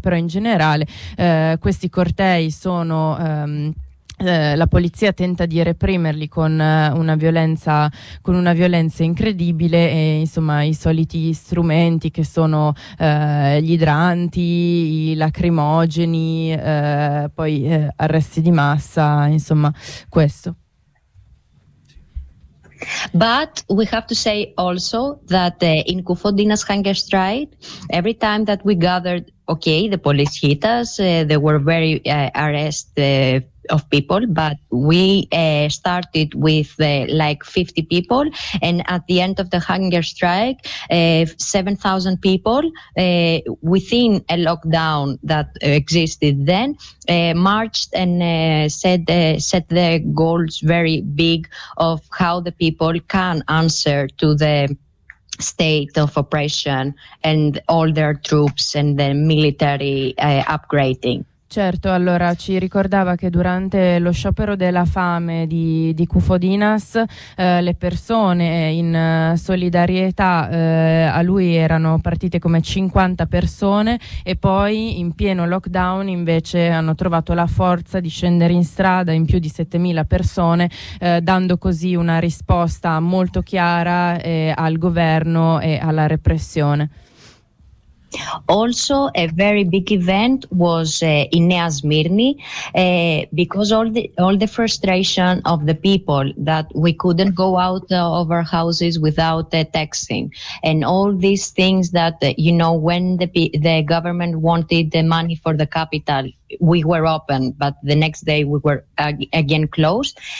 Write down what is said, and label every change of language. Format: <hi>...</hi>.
<it>Però in generale questi cortei sono la polizia tenta di reprimerli con una violenza incredibile, e insomma i soliti strumenti che sono gli idranti, i lacrimogeni, poi arresti di massa, insomma questo.</it> <en>But we have to say also that in Kufodinas hunger strike, every time that we gathered, okay, the police hit us, there were very arrests of people, but we started with like 50 people, and at the end of the hunger strike, 7,000 people within a lockdown that existed then marched and set the goals very big of how the people can answer to the state of oppression and all their troops and the military upgrading.</en> <it>Certo, allora ci ricordava che durante lo sciopero della fame di Cufodinas le persone in solidarietà a lui erano partite come 50 persone e poi in pieno lockdown invece hanno trovato la forza di scendere in strada in più di 7.000 persone dando così una risposta molto chiara al governo e alla repressione.</it> <en>Also, a very big event was in Nea Smyrni because all the frustration of the people that we couldn't go out of our houses without texting and all these things that, you know, when the government wanted the money for the capital, we were open, but the next day we were again closed.</en>